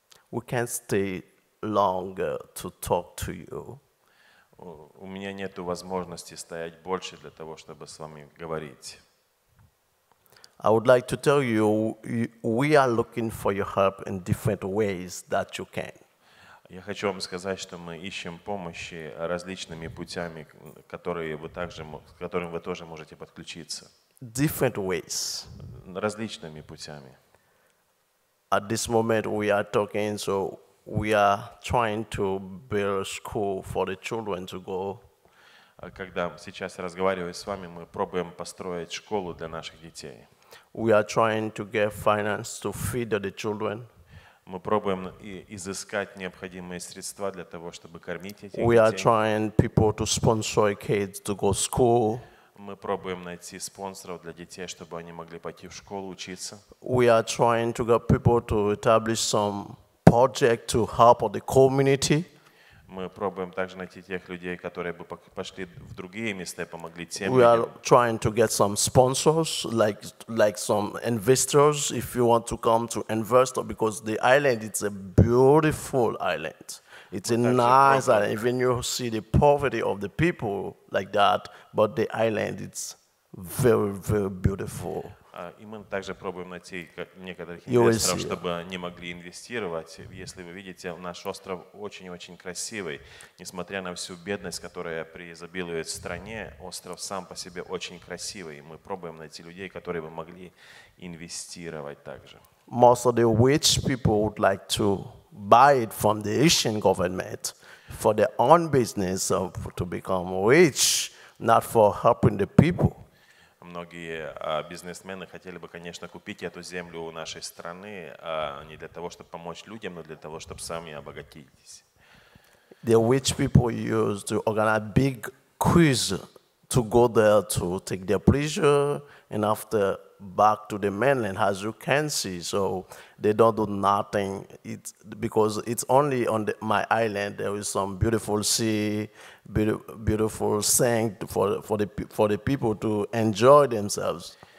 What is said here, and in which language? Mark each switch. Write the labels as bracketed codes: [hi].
[en] We can't stay longer to talk to you. [ru] У меня нету возможности стоять больше для того, чтобы с вами говорить. [en] I would like to tell you, we are looking for your help in different ways that you can. [ru] Я хочу вам сказать, что мы ищем помощи различными путями, которым вы тоже можете подключиться. [en] Different ways. [ru] Различными путями. [en] At this moment we are talking, so we are trying to build a school for the children to go. [ru] Когда сейчас разговариваю с вами, мы пробуем построить школу для наших детей. [en] We are trying to get finance to feed the children. [ru] Мы пробуем изыскать необходимые средства для того, чтобы кормить этих детей. [en] We are trying people to sponsor kids to go to school. [ru] Мы пробуем найти спонсоров для детей, чтобы они могли пойти в школу учиться. [en] We are trying to get people to establish some project to help the community. [ru] Мы пробуем также найти тех людей, которые бы пошли в другие места и помогли тем. [en] We are trying to get some sponsors, like some investors, if you want to come to invest, because the island, it's a beautiful island. It's a nice island. Even you see the poverty of the people like that, but the island, it's very, very beautiful. [ru] И мы также пробуем найти некоторых инвесторов, чтобы они могли инвестировать. Если вы видите, наш остров очень-очень красивый. Несмотря на всю бедность, которая преизобилует в стране, остров сам по себе очень красивый. Мы пробуем найти людей, которые бы могли инвестировать также. [en] Most of the rich people would like to buy it from the Asian government for their own business to become rich, not for helping the people. [ru] Многие бизнесмены хотели бы, конечно, купить эту землю у нашей страны, не для того, чтобы помочь людям, но для того, чтобы сами обогатились. [en] The rich people used to organize big quiz to go there to take their pleasure and after back to the mainland, as you can see. So they don't do nothing. It's because it's only on my island there is some beautiful sea, beautiful sand for the people to enjoy themselves.